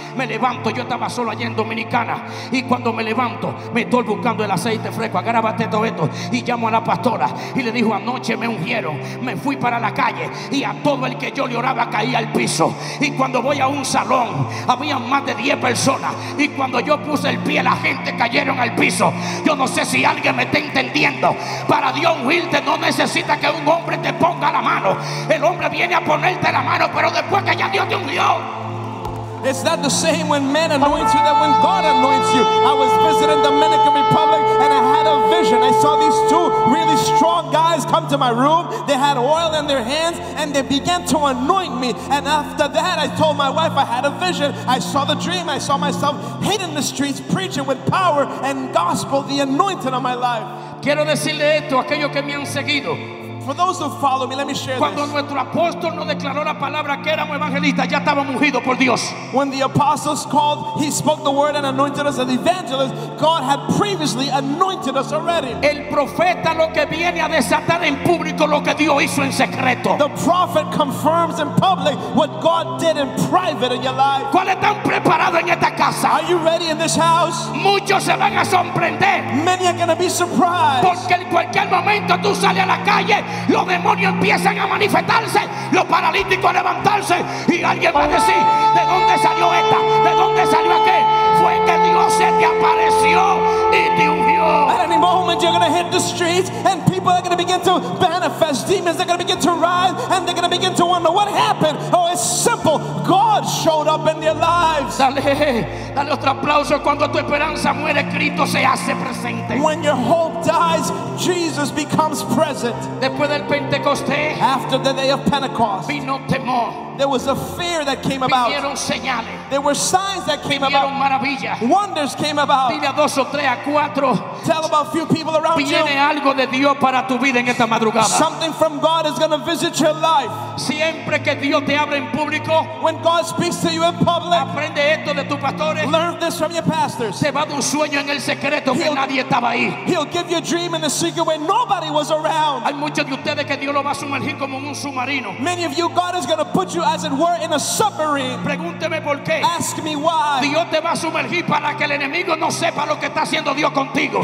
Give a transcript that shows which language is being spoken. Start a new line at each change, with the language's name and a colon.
Spanish: Me levanto, yo estaba solo allí en Dominicana, y cuando me levanto me estoy buscando el aceite fresco, agárrate todo esto, y llamo a la pastora y le digo: anoche me ungieron, me fui para la calle y a todo el que yo le oraba caía al piso, y cuando voy a un salón había más de 10 personas y cuando yo puse el pie la gente cayeron al piso. Yo no sé si alguien me está entendiendo. Para Dios ungirte no necesita que un hombre te ponga la mano. El hombre viene a ponerte la mano, pero después que ya Dios te ungió.
English: It's not the same when men anoint you than when God anoints you. I was visiting the Dominican Republic and I had a vision. I saw these two really strong guys come to my room. They had oil in their hands and they began to anoint me. And after that, I told my wife I had a vision. I saw the dream. I saw myself hitting the streets, preaching with power and gospel, the anointing on my life.
Spanish: Quiero decirle esto a aquellos que me han seguido.
English: For those who follow me, let me share
Spanish: cuando
English: this.
Spanish: Nuestro apóstol nos declaró la palabra que éramos evangelistas, ya estábamos ungidos por Dios.
English: When the apostles called, he spoke the word and anointed us as evangelists. God had previously anointed us already.
Spanish: El profeta lo que viene a desatar en público lo que Dios hizo en secreto.
English: The prophet confirms in public what God did in private in your life.
Spanish: ¿Cuáles están preparados en esta casa?
English: Are you ready in this house?
Spanish: Muchos se van a sorprender.
English: Many are going to be surprised.
Spanish: Porque en cualquier momento tú sales a la calle, los demonios empiezan a manifestarse, los paralíticos a levantarse, y alguien va a decir: ¿de dónde salió esta? ¿De dónde salió aquel? Fue que Dios se te apareció y te ungió.
English: At any moment you're going to hit the streets and people are going to begin to manifest demons, they're going to begin to rise and they're going to begin to wonder what happened. Oh, it's simple, God showed up in their lives.
Spanish: Dale, dale otro aplauso. Cuando tu esperanza muere, Cristo se hace presente.
English: When your hope dies, Jesus becomes present.
Spanish: Después del Pentecostés,
English: after the day of Pentecost,
Spanish: vino temor.
English: There was a fear that came about.
Spanish: Vinieron señales.
English: There were signs that came
Spanish: vinieron
English: about.
Spanish: Maravilla.
English: Wonders came about.
Spanish: Dile a dos o tres, a cuatro.
English: Tell about a few people around
Spanish: viene
English: you.
Spanish: Viene algo de Dios para tu vida en esta madrugada.
English: Something from God is going to visit your life.
Spanish: Siempre que Dios te habla en público,
English: when God speaks to you in public,
Spanish: aprende esto de tus pastores.
English: Learn this from your pastors.
Spanish: Te va a dar un sueño en el secreto, que nadie estaba ahí.
English: He'll give you a dream in the secret when nobody was around.
Spanish: Hay muchos de ustedes que Dios lo va a sumergir como un submarino.
English: Many of you, God is going to put you, as it were, in a submarine.
Spanish: Pregúnteme por qué.
English: Ask me why.
Spanish: Dios te va a sumergir para que el enemigo no sepa lo que está haciendo Dios contigo.